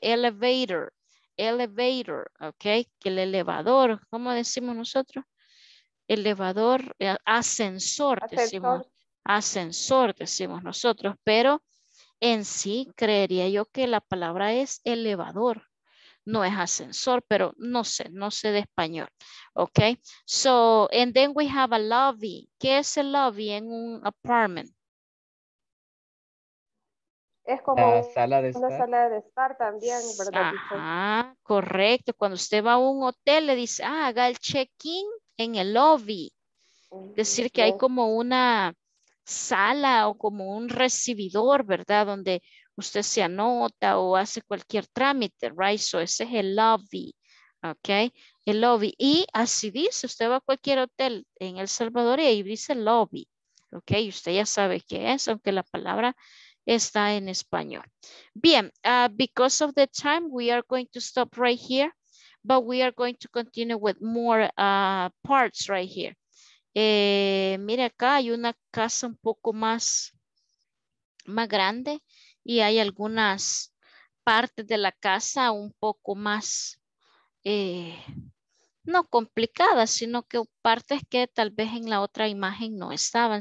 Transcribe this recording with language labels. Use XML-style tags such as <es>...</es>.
<es>Elevator, okay? Que el elevador, ¿cómo decimos nosotros? Elevador, ascensor, decimos. Ascensor, decimos nosotros, pero en sí creería yo que la palabra es elevador, no es ascensor, pero no sé de español.</es> <en>Ok, so, and then we have a lobby.</en> <es>¿Qué es el lobby en un apartment? Es como la sala de estar. Una sala de estar también, ¿verdad? Ah, correcto. Cuando usted va a un hotel, le dice, ah, haga el check-in en el lobby. Decir que hay como una sala o como un recibidor, ¿verdad? Donde usted se anota o hace cualquier trámite, right? So ese es el lobby, ¿ok? El lobby. Y así dice, usted va a cualquier hotel en El Salvador y ahí dice lobby, ¿ok? Y usted ya sabe qué es, aunque la palabra está en español.</es> <en>Bien, because of the time, we are going to stop right here, but we are going to continue with more parts right here.</en> <es>Mire acá hay una casa un poco más grande y hay algunas partes de la casa un poco más, no complicadas, sino que partes que tal vez en la otra imagen no estaban.</es>